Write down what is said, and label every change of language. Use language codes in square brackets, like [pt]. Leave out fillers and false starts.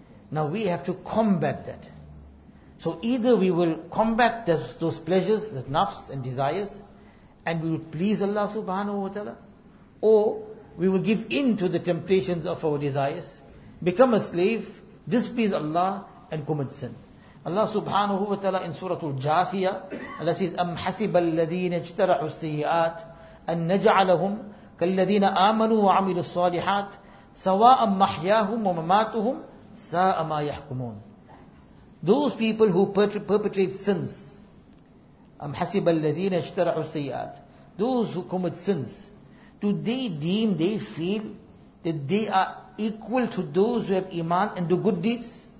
[en] Now we have to combat that. So either we will combat those pleasures, the nafs and desires, and we will please Allah subhanahu wa ta'ala, or we will give in to the temptations of our desires, become a slave, displease Allah, and commit sin. Allah subhanahu wa ta'ala in Surah Al-Jathiyah, Allah says, [ar] أَمْ حَسِبَ الَّذِينَ اجْتَرَحُوا السَّيِّئَاتِ أَنْ نَجْعَلَهُمْ كَالَّذِينَ آمَنُوا وَعَمِلُوا الصَّالِحَاتِ سَوَاءً مَحْيَاهُمْ وَمَمَاتُهُمْ سَاءَ مَا يَحْكُمُونَ. [en] Those people who perpetrate sins, [ar] أَمْ حَسِبَ الَّذِينَ اجْتَرَحُوا السَّيِّئَاتِ, [en] those who commit sins, do they deem, they feel that they are equal to those who have iman and do good deeds?